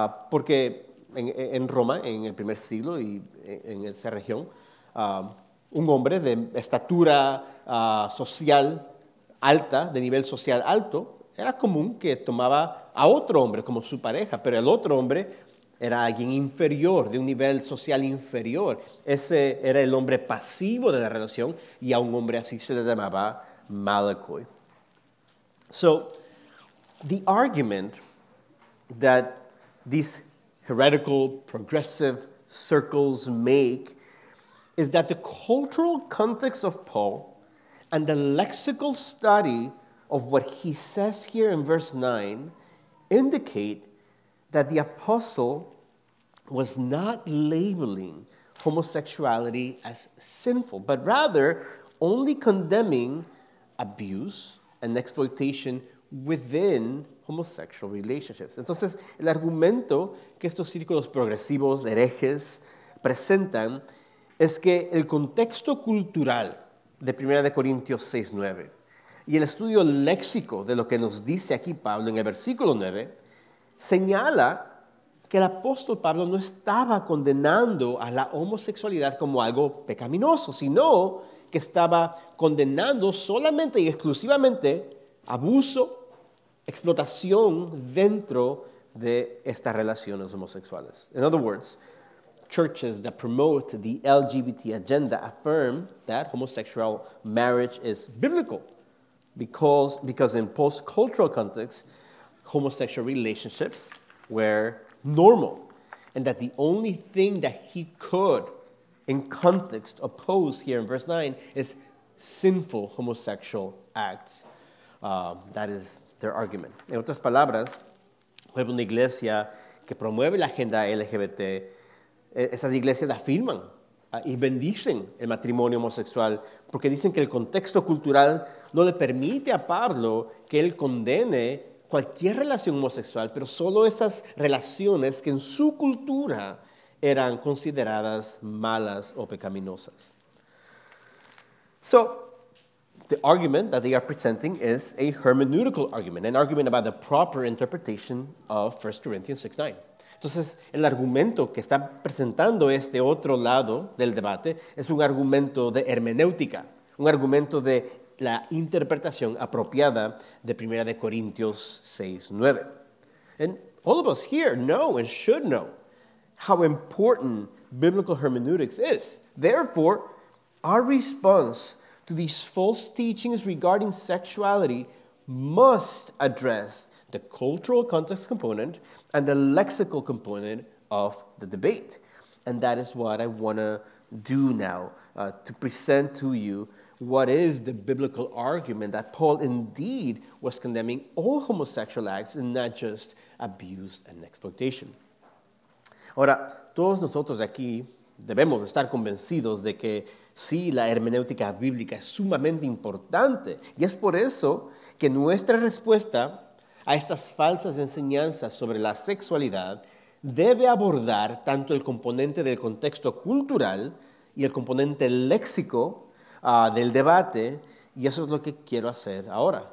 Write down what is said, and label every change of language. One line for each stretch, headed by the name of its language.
Spanish: Porque en Roma, en el primer siglo y en esa región, un hombre de estatura social alta, de nivel social alto, era común que tomaba a otro hombre como su pareja, pero el otro hombre era alguien inferior, de un nivel social inferior. Ese era el hombre pasivo de la relación y a un hombre así se le llamaba malakoi.
English: So, the argument that these heretical progressive circles make is that the cultural context of Paul and the lexical study of what he says here in verse 9 indicate that the apostle was not labeling homosexuality as sinful, but rather only condemning abuse and exploitation within homosexual relationships.
Spanish: Entonces, el argumento que estos círculos progresivos, herejes, presentan es que el contexto cultural de 1 Corintios 6:9 y el estudio léxico de lo que nos dice aquí Pablo en el versículo 9 señala que el apóstol Pablo no estaba condenando a la homosexualidad como algo pecaminoso, sino que estaba condenando solamente y exclusivamente abuso, explotación dentro de estas relaciones homosexuales.
English: In other words, churches that promote the LGBT agenda affirm that homosexual marriage is biblical because in post-cultural context, homosexual relationships were normal, and that the only thing that he could, in context, oppose here in verse 9 is sinful homosexual acts. That is their argument.
Spanish: En otras palabras, una iglesia que promueve la agenda LGBT, esas iglesias afirman y bendicen el matrimonio homosexual porque dicen que el contexto cultural no le permite a Pablo que él condene cualquier relación homosexual, pero solo esas relaciones que en su cultura eran consideradas malas o pecaminosas.
English: So, the argument that they are presenting is a hermeneutical argument, an argument about the proper interpretation of 1 Corinthians 6:9.
Spanish: Entonces, el argumento que está presentando este otro lado del debate es un argumento de hermenéutica, un argumento de la interpretación apropiada de 1 Corintios 6:9.
English: And all of us here know and should know how important biblical hermeneutics is. Therefore, our response to these false teachings regarding sexuality must address the cultural context component and the lexical component of the debate. And that is what I want to do now, to present to you what is the biblical argument that Paul indeed was condemning all homosexual acts and not just abuse and exploitation.
Spanish: Ahora, todos nosotros aquí debemos estar convencidos de que sí, la hermenéutica bíblica es sumamente importante. Y es por eso que nuestra respuesta a estas falsas enseñanzas sobre la sexualidad debe abordar tanto el componente del contexto cultural y el componente léxico del debate, y eso es lo que quiero hacer ahora.